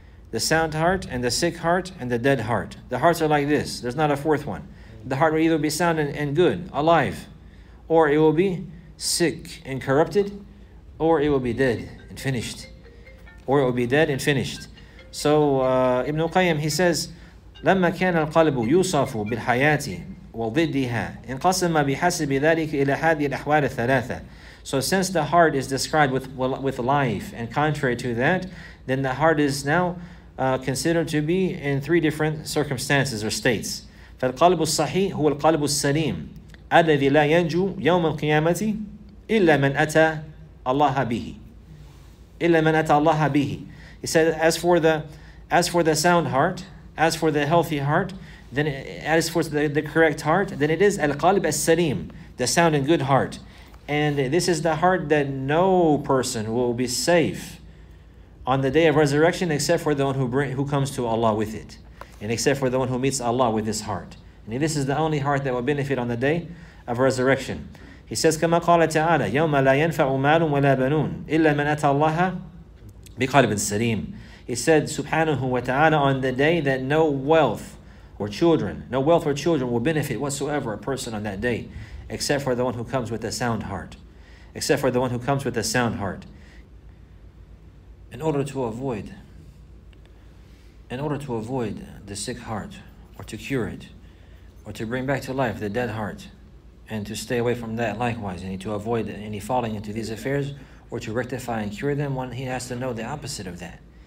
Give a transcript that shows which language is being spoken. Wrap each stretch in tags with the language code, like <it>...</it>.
<en>The sound heart, and the sick heart, and the dead heart. The hearts are like this. There's not a fourth one. The heart will either be sound and good, alive, or it will be sick and corrupted, or it will be dead and finished. Or it will be dead and finished. So Ibn Qayyim, he says,</en> <ar>لَمَّا كَانَ الْقَلْبُ يُوصَفُ بِالْحَيَاةِ وَضِدِّهَا إِنْقَسَمَ بِحَسِبِ ذَلِكَ إِلَى هَذِي الْأَحْوَالِ الثَّلَاثَةِ.</ar> <en>So since the heart is described with life, and contrary to that, then the heart is now considered to be in three different circumstances or states.</en> <ar>فَالْقَلْبُ الصَّحِيحُ هُوَ الْقَلْبُ السَّلِيمُ أَلَّذِي لَا يَنْجُو يَوْمَ الْقِيَامَةِ إِلَّا مَنْ أَتَى Allah bihi. Illa man ata Allah bihi.</ar> <en>He said, as for the sound heart, as for the healthy heart, then as for the correct heart, then it is al-qalb al-salim, the sound and good heart. And this is the heart that no person will be safe on the day of resurrection except for the one who comes to Allah with it. And except for the one who meets Allah with his heart. And this is the only heart that will benefit on the day of resurrection. He says,</en> <ar>كما قال تعالى يوم لا ينفع مال ولا بنون إلا من أتى الله بقلب سليم.</ar> <en>He said, Subhanahu wa ta'ala, on the day that no wealth or children. No wealth or children will benefit whatsoever a person on that day, except for the one who comes with a sound heart. Except for the one who comes with a sound heart. In order to avoid the sick heart, or to cure it, or to bring back to life the dead heart, and to stay away from that likewise, and to avoid any falling into these affairs, or to rectify and cure them, one, he has to know the opposite of that.</en>